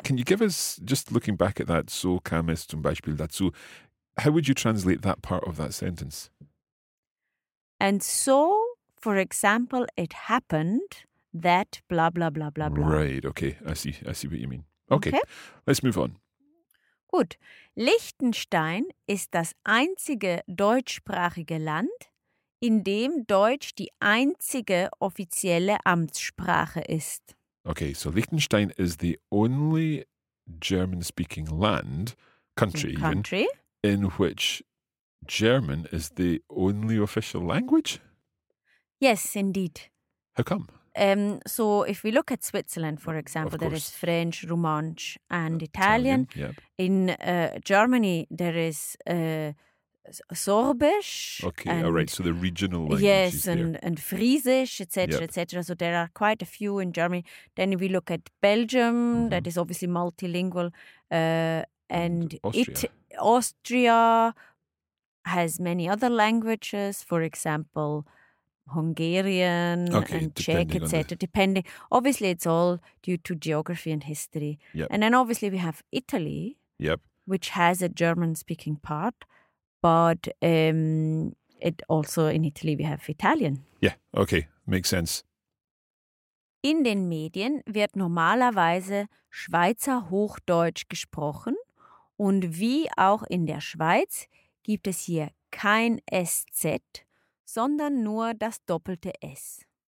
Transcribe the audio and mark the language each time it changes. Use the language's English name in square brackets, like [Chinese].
[English] Can you give us, just looking back at that, [German] so kam es zum Beispiel dazu, [English] how would you translate that part of that sentence? And so... For example, it happened that blah, blah, blah, blah, blah. Right, okay. I see what you mean. Okay. okay, let's move on. [German] Gut. Liechtenstein ist das einzige deutschsprachige Land, in dem Deutsch die einzige offizielle Amtssprache ist. [English] Okay, so Liechtenstein is the only German-speaking land, country in which German is the only official language? Yes, indeed. How come? So if we look at Switzerland, for example, there is French, Romansh and Italian. Yep. In Germany, there is Sorbisch. Okay, all right, so the regional languages. Yes, and Friesisch, etc., yep. etc. So there are quite a few in Germany. Then if we look at Belgium, mm-hmm. that is obviously multilingual. And Austria has many other languages, for example... Hungarian okay, and Czech, etc. Depending. Obviously, it's all due to geography and history. Yep. And then obviously we have Italy, yep. which has a German-speaking part, but it also in Italy we have Italian. Yeah, okay, makes sense. [German] In den Medien wird normalerweise Schweizer Hochdeutsch gesprochen und wie auch in der Schweiz gibt es hier kein SZ, sondern nur das doppelte S.